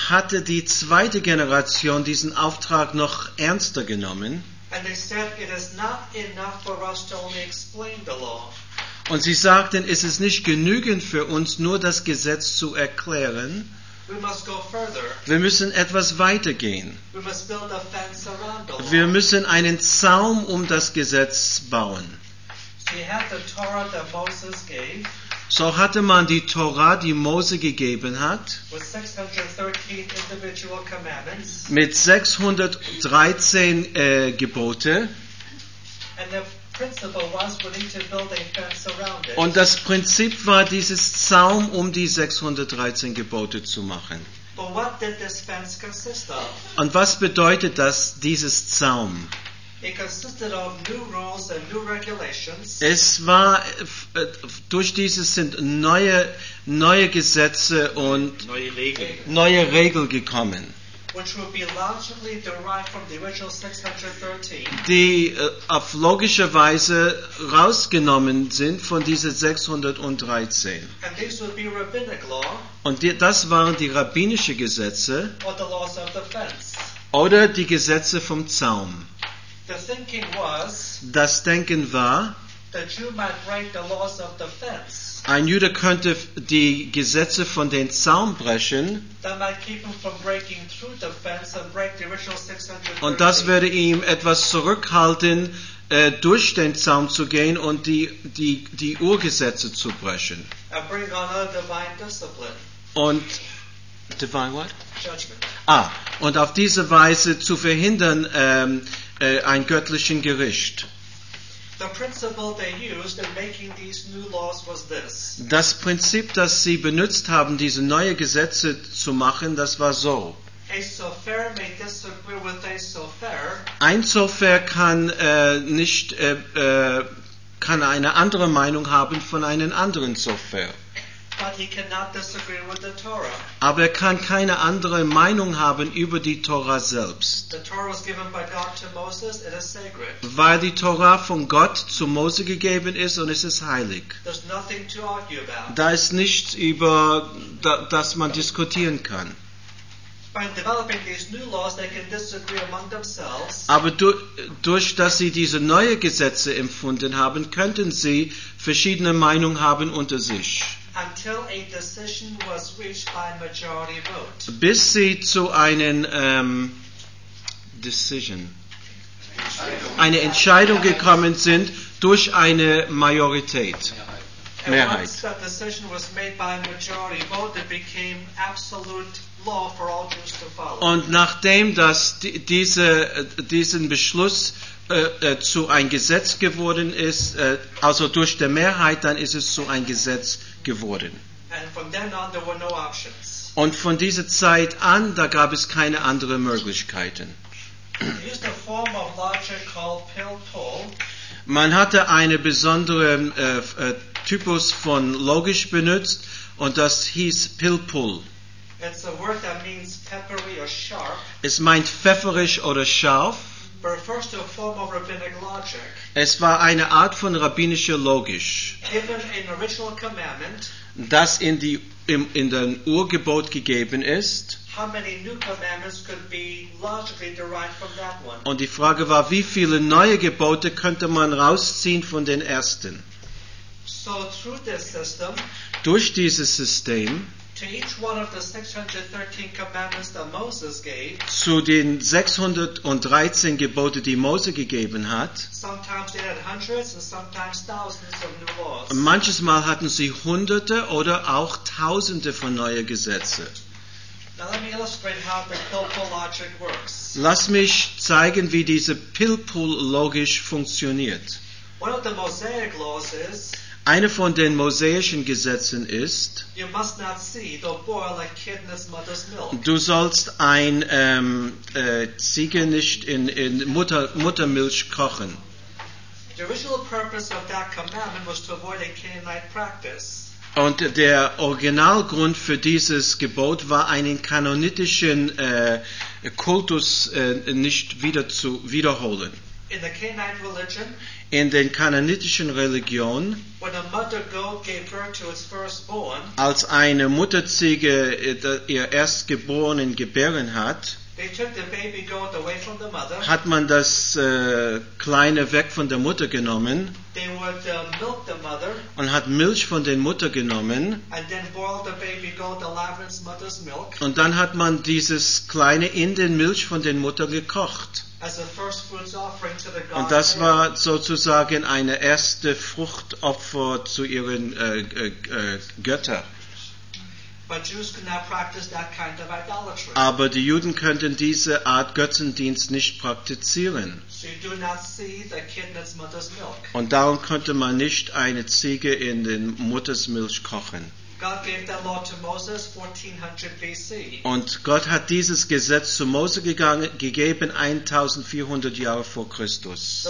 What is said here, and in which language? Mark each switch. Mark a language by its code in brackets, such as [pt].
[de] Hatte die zweite Generation diesen Auftrag noch ernster genommen. [en] And they said, it is not enough for us to only explain the law. [de] Und sie sagten, es ist nicht genügend für uns, nur das Gesetz zu erklären. [en] We must go further. [de] Wir müssen etwas weiter gehen. [en] We must build a fence around the law. [de] Wir müssen einen Zaum um das Gesetz bauen. [en] So you have the Torah that Moses gave. [de] So hatte man die Torah, die Mose gegeben hat, [en] with 613 individual commandments, [de] mit 613 Gebote. [en] And the principle was we need to build a fence around it. [de] Und das Prinzip war, dieses Zaum um die 613 Gebote zu machen. [en] But what did this fence consist of? [de] Und was bedeutet das, dieses Zaum? [en] It consisted of new rules and new regulations. [de] Es war durch dieses sind neue Gesetze und neue Regeln gekommen. [en] Which would be logically derived from the original 613. [de] Die auf logische Weise rausgenommen sind von diesen 613. [en] And these would be rabbinic law. [de] Und das waren die rabbinische Gesetze. [en] Or the laws of the fence. [de] Oder die Gesetze vom Zaum. [en] The thinking was, [de] das Denken war, [en] the Jew might break the laws of the fence. [de] Ein Jude könnte die Gesetze von den Zaum brechen, [en] that might keep him from breaking through the fence and break the original 613. [de] Und das würde ihm etwas zurückhalten, durch den Zaum zu gehen und die Urgesetze zu brechen. [en] And bring on a divine discipline. Und divine what? Judgment. [de] Ah, und auf diese Weise zu verhindern, ein göttlichen Gericht. [en] The principle they used in making these new laws was this. [de] Das Prinzip, das sie benutzt haben, diese neue Gesetze zu machen, das war so. [en] A sofer may disagree with a sofer. [de] Ein Sofer kann kann eine andere Meinung haben von einem anderen Sofer. [en] but he cannot disagree with the Torah. [de] Aber er kann keine andere Meinung haben über die Torah selbst. [en] The Torah was given by God to Moses, it is sacred. [de] Weil die Torah von Gott zu Mose gegeben ist und es ist heilig. [en] There's nothing to argue about. [de] Da ist nichts über das man diskutieren kann. [en] By developing these new laws, they can disagree among themselves. [de] Aber durch dass sie diese neue Gesetze empfunden haben, könnten sie verschiedene Meinungen haben unter sich. [en] Until a decision was reached by a majority vote. [de] Bis sie zu einem eine Entscheidung gekommen sind durch eine Majorität. Mehrheit. [en] And once the decision was made by a majority vote, it became absolute law for all Jews to follow. [de] Und nachdem dass diesen Beschluss zu ein Gesetz geworden ist, also durch die Mehrheit, dann ist es zu ein Gesetz geworden. [en] And from then on, there were no options. [de] Und von dieser Zeit an, da gab es keine anderen Möglichkeiten. [en] They used a form of logic called Peltol. [de] Man hatte einen besonderen Typus von logisch benutzt und das hieß Pilpul. [en] It's a word that means peppery or sharp. [de] Es meint pfefferig oder scharf. [en] But refers to a form of rabbinic logic. [de] Es war eine Art von rabbinischer Logisch. [en] Given an original commandment, [de] das in den Urgebot gegeben ist. [en] How many new commandments could be logically derived from that one? [de] Und die Frage war, wie viele neue Gebote könnte man rausziehen von den ersten? [en] So through this system, [de] durch dieses System, [en] to each one of the 613 commandments that Moses gave, [de] zu den 613 Gebote, die Mose gegeben hat, [en] sometimes they had hundreds and sometimes thousands of new laws. [de] Manches Mal hatten sie Hunderte oder auch Tausende von neuen Gesetzen. [en] Now let me illustrate how the pill-pull logic works. [de] Lass mich zeigen, wie diese Pill-Pull-Logisch funktioniert. [en] One of the Mosaic laws is, [de] eine von den mosaischen Gesetzen ist, [en] you must not seed or boil a kid in his mother's milk. [de] Du sollst ein Ziege nicht in Muttermilch kochen. [en] The original purpose of that commandment was to avoid a Canaanite practice. [de] Und der Originalgrund für dieses Gebot war, einen kanonitischen Kultus nicht wiederholen. [en] In, the Canaanite religion, [de] in den kanonitischen Religion, [en] when a mother goat gave birth to its firstborn, [de] als eine Mutterziege ihr Erstgeborenen gebären hat, [en] they took the baby goat away from the mother, [de] hat man das Kleine weg von der Mutter genommen. [en] They would milk the mother, [de] und hat Milch von der Mutter genommen. [en] And then boiled the baby goat alive in its mother's milk. [de] Und dann hat man dieses Kleine in den Milch von der Mutter gekocht. [en] As a first fruits offering to the God. [de] Und das war sozusagen eine erste Fruchtopfer zu ihren Göttern. [en] But Jews could not practice that kind of idolatry. [de] Aber die Juden könnten diese Art Götzendienst nicht praktizieren. [en] So you do not see the kid in its mother's milk. [de] Und darum konnte man nicht eine Ziege in den Muttermilch kochen. [en] God gave that law to Moses 1400 BC. [de] Und Gott hat dieses Gesetz zu Mose gegeben 1400 Jahre vor Christus.